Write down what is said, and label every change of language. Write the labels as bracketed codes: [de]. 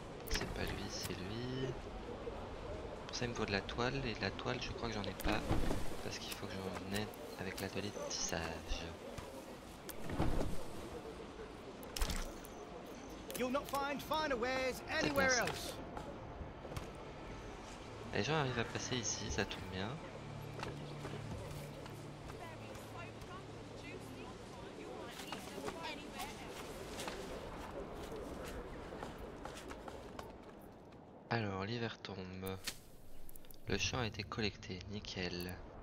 [fr] C'est pas lui, c'est lui. Pour ça, il me faut de la toile. Et de la toile, je crois que j'en ai pas. Parce qu'il faut que j'en aie. Avec l'atelier de tissage. [en] You'll not find finer wares anywhere else. [fr] Les gens arrivent à passer ici, ça tombe bien. Alors, l'hiver tombe. Le champ a été collecté, nickel.